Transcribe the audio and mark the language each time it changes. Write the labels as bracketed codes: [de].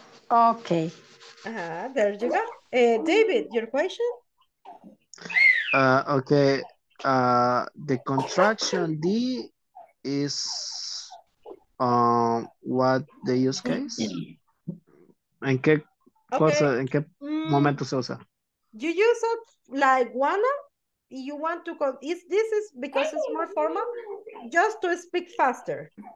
[en] Okay. There you go. David, your question? Okay. The contraction D is what the use case? [es] ¿En qué cosa, en qué momento se usa? [en] You use it like wanna? You want to call, is this is because it's more formal, just to speak faster.